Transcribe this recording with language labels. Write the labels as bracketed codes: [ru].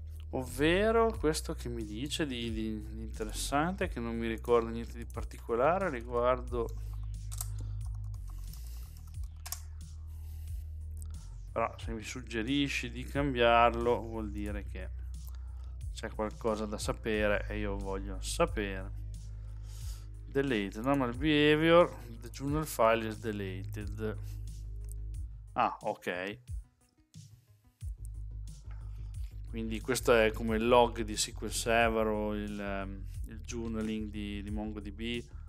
[it] Ovvero questo che mi dice di interessante, che non mi ricordo niente di particolare riguardo. Però se mi suggerisci di cambiarlo vuol dire che c'è qualcosa da sapere e io voglio sapere. [en] Delete normal behavior, the journal file is deleted. [it] Ah, ok. Quindi questo è come il log di SQL Server o il journaling di MongoDB.